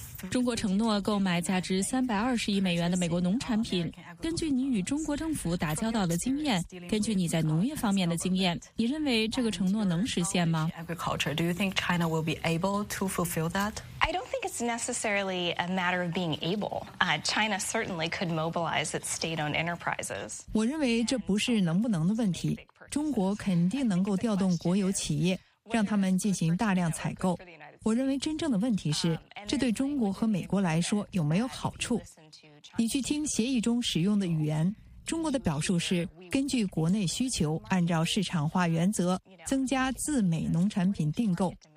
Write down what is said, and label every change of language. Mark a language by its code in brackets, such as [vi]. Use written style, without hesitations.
[zh] 中国承诺购买价值320亿美元的美国农产品，根据你与中国政府打交道的经验，根据你在农业方面的经验，你认为这个承诺能实现吗？ [en] Agriculture, do you think China will be able to fulfill that? I don't think it's necessarily a matter of being able. China certainly could mobilize its state-owned enterprises. [zh] 我认为这不是能不能的问题，中国肯定能够调动国有企业，让他们进行大量采购。我认为真正的问题是，这对中国和美国来说有没有好处？你去听协议中使用的语言，中国的表述是根据国内需求，按照市场化原则增加自美农产品订购。